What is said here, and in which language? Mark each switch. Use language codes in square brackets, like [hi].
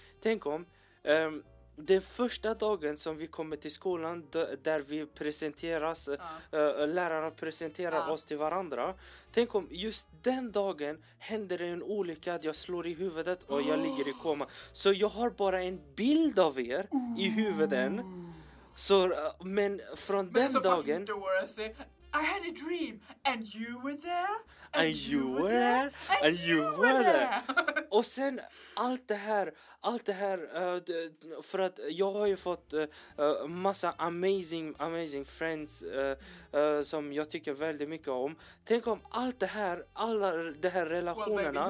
[sv] Tänk om den första dagen som vi kommer till skolan där vi presenteras, lärarna presenterar oss till varandra. Tänk om just den dagen händer det en olycka att jag slår i huvudet och jag ligger i koma. Så jag har bara en bild av er i huvudet. Så, men från men den dagen. [en] Fucking Dorothy. I had a dream and you were there. And you were there. [sv] Och sen allt det här för att jag har ju fått massa [en] amazing friends [sv] som jag tycker väldigt mycket om. Tänk om allt det här, alla de här relationerna.